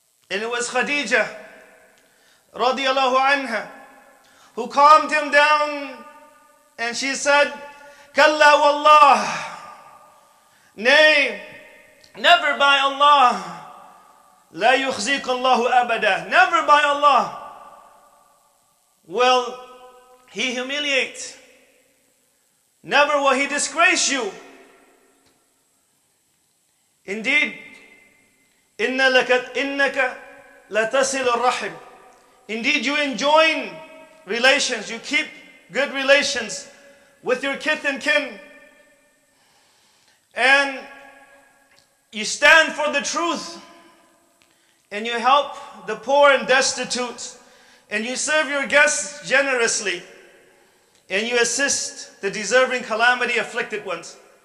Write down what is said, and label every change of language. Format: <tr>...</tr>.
<en>And it was Khadija radiallahu anha who calmed him down and she said,</en> <ar>Kalla wallah,</ar> <en>nay, never by Allah,</en> <ar>لا يخزيك الله أبدا.</ar> <en>Never by Allah will He humiliate. Never will He disgrace you. Indeed,</en> <ar>إنك لتصل الرحم.</ar> <en>Indeed, you enjoin relations. You keep good relations with your kith and kin. And you stand for the truth and you help the poor and destitute and you serve your guests generously and you assist the deserving calamity afflicted ones.</en>